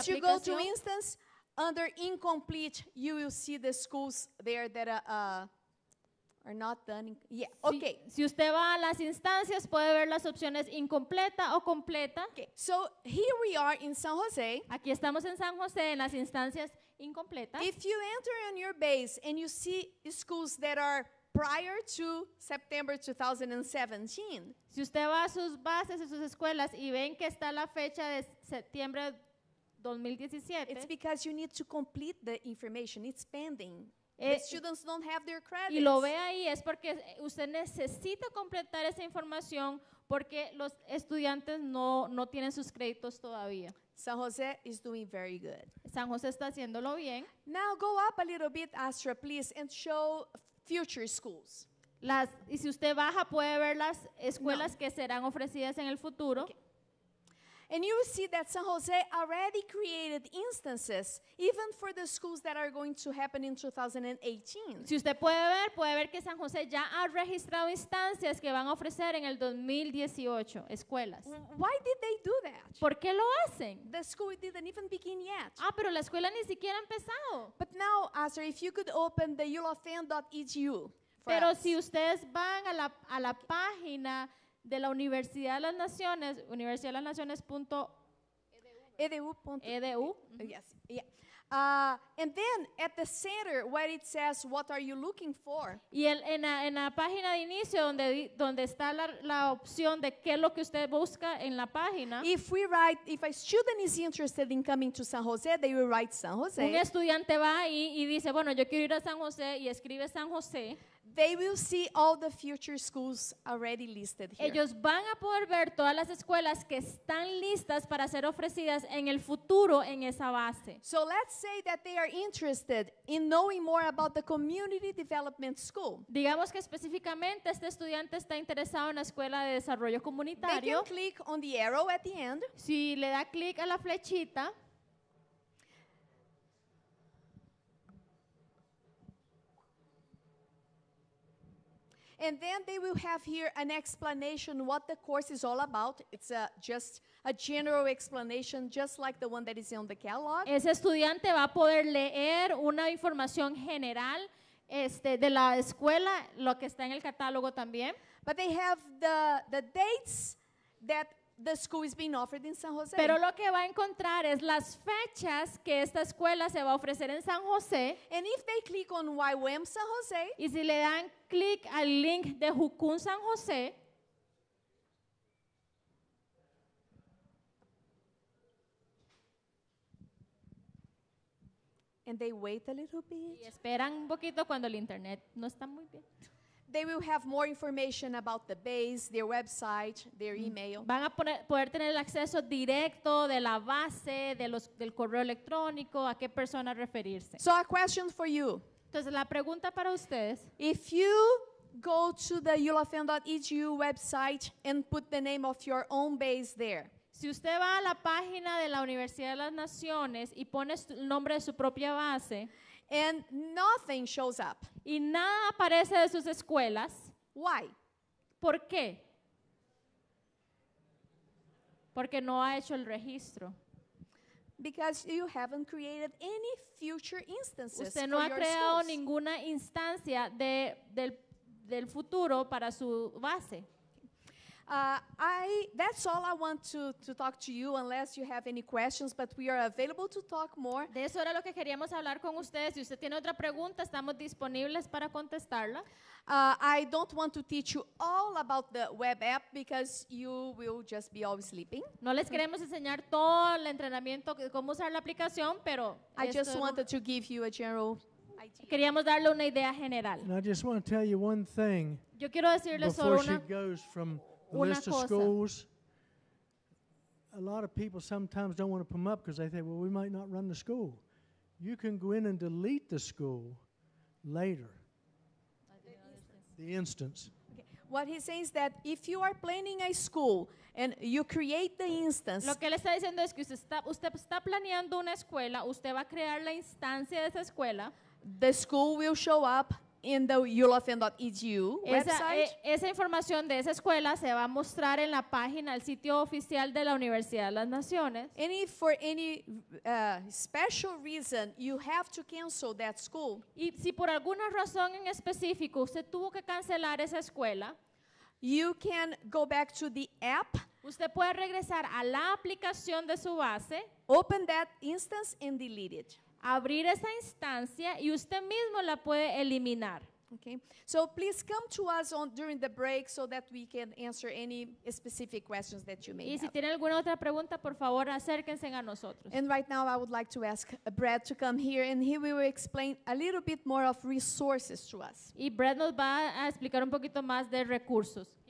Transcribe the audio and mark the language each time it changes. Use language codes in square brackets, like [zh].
[en] As you go to instance, under incomplete, you will see the schools there that are not done. Yeah, okay. [es] Si usted va a las instancias, puede ver las opciones incompleta o completa. [en] Okay, so here we are in San Jose. [es] Aquí estamos en San José, en las instancias incompletas. [en] If you enter on your base and you see schools that are prior to September 2017. [es] Si usted va a sus bases, a sus escuelas, y ven que está la fecha de septiembre 2017. [en] It's because you need to complete the information. It's pending. The students don't have their credits. [es] Y lo ve ahí es porque usted necesita completar esa información porque los estudiantes no tienen sus créditos todavía. [en] San Jose is doing very good. [es] San Jose está haciéndolo bien. [en] Now go up a little bit, Astra, please, and show future schools. [es] Las, y si usted baja, puede ver las escuelas no. que serán ofrecidas en el futuro. [en] Okay. And you see that San Jose already created instances, even for the schools that are going to happen in 2018. [es] Si usted puede ver que San Jose ya ha registrado instancias que van a ofrecer en el 2018, escuelas. [en] Why did they do that? [es] ¿Por qué lo hacen? [en] The school didn't even begin yet. [es] Ah, pero la escuela ni siquiera ha empezado. [en] But now, Astra, if you could open the ulofn.edu. [es] Pero si ustedes van a la página de la Universidad de las Naciones, universidadelasnaciones.edu. [en] Yes. Yeah. And then at the center where it says what are you looking for? [es] Y en la página de inicio donde está la opción de qué es lo que usted busca en la página. [en] If a student is interested in coming to San Jose, they will write San Jose. [es] Un estudiante va ahí y dice, bueno, yo quiero ir a San Jose y escribe San Jose. [en] They will see all the future schools already listed here. [es] Ellos van a poder ver todas las escuelas que están listas para ser ofrecidas en el futuro en esa base. [en] So let's say that they are interested in knowing more about the community development school. [es] Digamos que específicamente este estudiante está interesado en la escuela de desarrollo comunitario. [en] They can click on the arrow at the end. [es] Si le da clic a la flechita. [en] And then they will have here an explanation what the course is all about. It's just a general explanation, just like the one that is on the catalog. [es] Ese estudiante va a poder leer una información general de la escuela, lo que está en el catálogo también. [en] But they have the dates that the school is being offered in San Jose. [es] Pero lo que va a encontrar es las fechas que esta escuela se va a ofrecer en San Jose. [en] And if they click on UofN San Jose, [es] y si le dan clic al link de UofN San Jose, [en] and they wait a little bit, [es] y esperan un poquito cuando el internet no está muy bien. [en] They will have more information about the base, their website, their email. [es] Van a poder tener el acceso directo de la base, del correo electrónico, a qué persona referirse. [en] So a question for you. [es] Entonces la pregunta para ustedes. [en] If you go to the ulofn.edu website and put the name of your own base there. [es] Si usted va a la página de la Universidad de las Naciones y pone el nombre de su propia base. [en] And nothing shows up. [es] Y nada aparece de sus escuelas. [en] Why? [es] ¿Por qué? Porque no ha hecho el registro. [en] Because you haven't created any future instances for your [es] schools. Usted no ha creado ninguna instancia del futuro para su base. [en] That's all I want to talk to you, unless you have any questions, but we are available to talk more. [es] De eso era lo que queríamos hablar con ustedes. Si usted tiene otra pregunta, estamos disponibles para contestarla. [en] I don't want to teach you all about the web app because you will just be always sleeping. [es] No les queremos enseñar todo el entrenamiento de cómo usar la aplicación, pero [en] I just wanted to give you a general idea. [es] Queríamos darle una idea general. [en] And I just want to tell you one thing. [es] Yo quiero decirles solo una [en] before she goes from the list of schools, a lot of people sometimes don't want to put them up because they think, well, we might not run the school. You can go in and delete the school later. The instance. Okay. What he's saying is that if you are planning a school and you create the instance. [es] Lo que él está diciendo es que usted está planeando una escuela, usted va a crear la instancia de esa escuela. [en] The school will show up in the ulofn.edu website. [es] Esa información de esa escuela se va a mostrar en la página, el sitio oficial de la Universidad de las Naciones. [en] Any for any special reason you have to cancel that school. [es] Y si por alguna razón en específico usted tuvo que cancelar esa escuela, [en] you can go back to the app. [es] Usted puede regresar a la aplicación de su base. [en] Open that instance and delete it. [es] Abrir esa instancia y usted mismo la puede eliminar. [en] Okay. So please come to us during the break so that we can answer any specific questions that you may [es] have. Y si tiene alguna otra pregunta, por favor, acérquense a nosotros. [en] And right now I would like to ask Brad to come here and he will explain a little bit more of resources to us. [es] Y Brad nos va a explicar un poquito más de recursos.